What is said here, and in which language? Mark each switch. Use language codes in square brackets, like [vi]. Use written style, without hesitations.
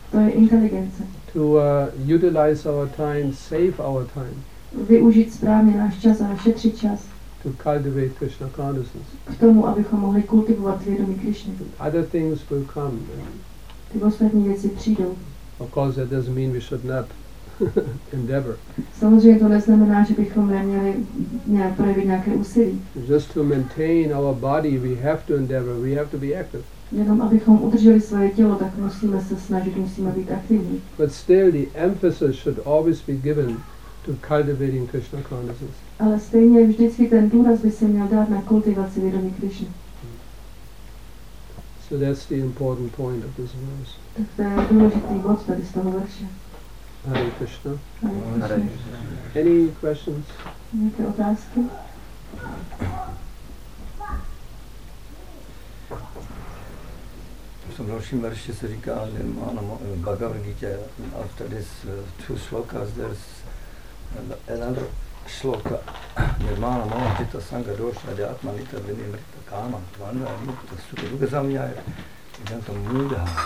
[cs] To je inteligence. [en] To utilize our time, save our time. [cs] Využít správně náš čas a šetřit čas. [en] To cultivate Krishna consciousness. [cs] K tomu, abychom mohli kultivovat vědomí Krishny. [en] Other things will come. [cs] Ty ostatní věci přijdou. [en] Of course, that doesn't mean we should not endeavor. [cs] Samozřejmě to neznamená, že bychom neměli nějak projevit nějaké úsilí. [en] Just to maintain our body, we have to endeavor, we have to be active. [cs] Jenom abychom udrželi své tělo, tak musíme se snažit, musíme být aktivní. [en] But still, the emphasis should always be given to cultivating Krishna consciousness. [cs] Ale stejně vždycky ten důraz by se měl dát na kultivaci vědomí Krishna. [en] So that's the important point of this verse. [cs] Tak to je důležitý bod tady z toho verše. [sa] Hare Krishna. Hare Krishna. [en] Any questions? [cs] Nějaké otázky? V tom dalším verši se říká, že má na Bhagavad Gita, [en] after this two slokas, there's another shloka, [sa] nirmana moha jita sangha dosha adi atma nita vini mrita kama dvanda anupta sukha duka samyaya idanta mudha.